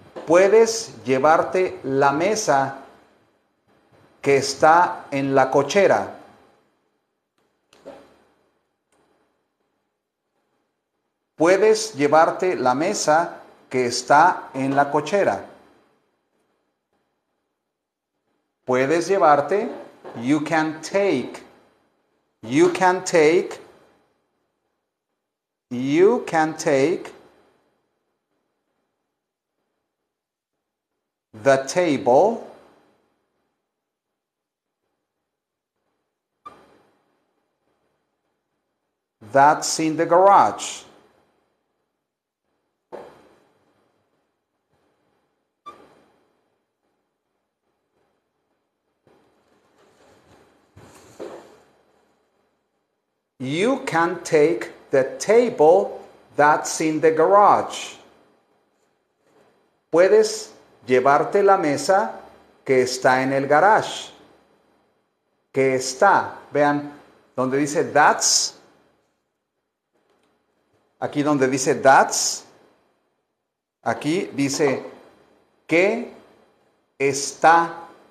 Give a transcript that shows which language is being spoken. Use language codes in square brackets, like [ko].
[es] Puedes llevarte la mesa que está en la cochera. Puedes llevarte la mesa que está en la cochera. Puedes llevarte, [en] you can take, you can take, you can take the table, that's in the garage. You can take the table that's in the garage. [es] Puedes llevarte la mesa que está en el garage. Que está. Vean, donde dice that's. Aquí donde dice that's. Aquí dice que está.